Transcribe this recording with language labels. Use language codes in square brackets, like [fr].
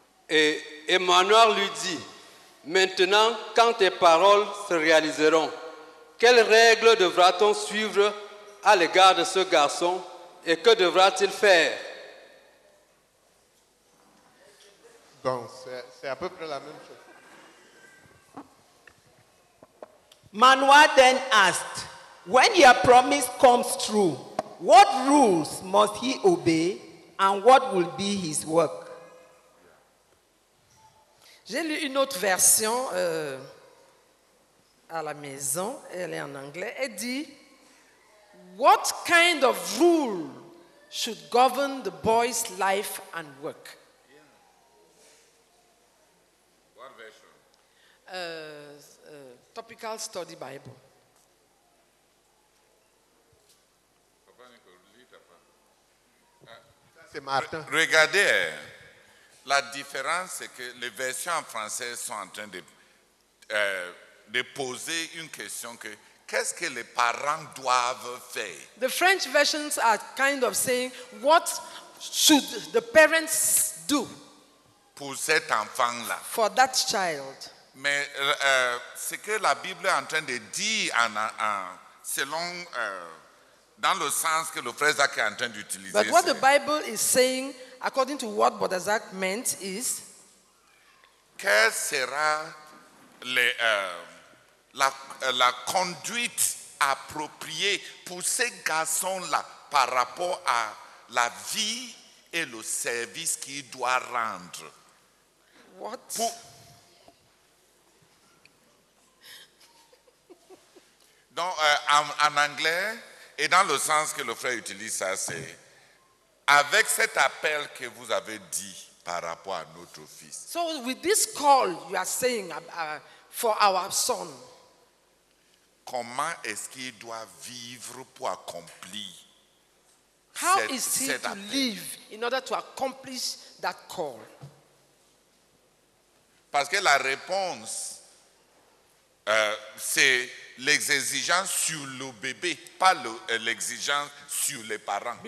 [fr] Et Manoah lui dit, maintenant, quand tes paroles se réaliseront, quelles règles devra-t-on suivre à l'égard de ce garçon et que devra-t-il faire? Bon, c'est à peu près la même chose. [en] Manoah then asked, when your promise comes true, what rules must he obey and what will be his work? [fr] J'ai lu une autre version à la maison, elle est en anglais, elle dit, [en] What kind of rule should govern the boy's life and work? What version? Topical study Bible. [fr] C'est Martin. Regardez, la différence, c'est que les versions en français sont en train de poser une question que qu'est-ce que les parents doivent faire? [en] The French versions are kind of saying, what should the parents do? [fr] Pour cet enfant-là. [en] For that child. [fr] Mais ce que la Bible est en train de dire selon dans le sens que le frère Zach est en train d'utiliser. [en] But what the Bible is saying, according to what Brother Zach meant, is [fr] quelle sera la conduite appropriée pour ces garçons-là par rapport à la vie et le service qu'ils doivent rendre. [en] What? [fr] Donc, en anglais, et dans le sens que le frère utilise ça, c'est avec cet appel que vous avez dit par rapport à notre fils. [en] So with this call you are saying for our son. [fr] Comment est-ce qu'il doit vivre pour accomplir [en] How cet, is he cet to appel? Live in order to accomplish that call? [fr] Parce que la réponse c'est l'exigence sur le bébé, pas l'exigence sur les parents.